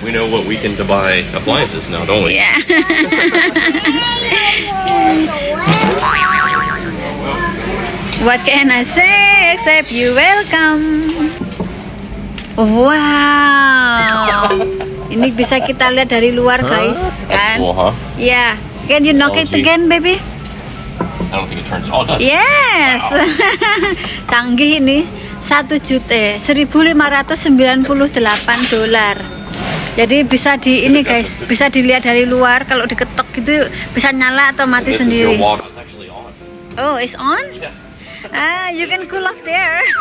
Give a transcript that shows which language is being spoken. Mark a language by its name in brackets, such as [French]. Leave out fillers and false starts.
[English] We know what we can to buy appliances now, don't we? Yeah. What can I say except you're welcome? Wow. [Indonesian] Ini bisa kita lihat dari luar, guys, kan? [English] Cool, huh? Yeah. Can you knock it again, baby? I don't think it turns. Oh, it does. [Indonesian] Yes. Wow. Canggih ini. 1.598 dolar. Jadi bisa di ini, guys, bisa dilihat dari luar, kalau diketok gitu bisa nyala atau mati. [English] This [Indonesian] sendiri. [English] Is your water. It's actually on. Oh, it's on? Yeah. Ah, you can cool off there.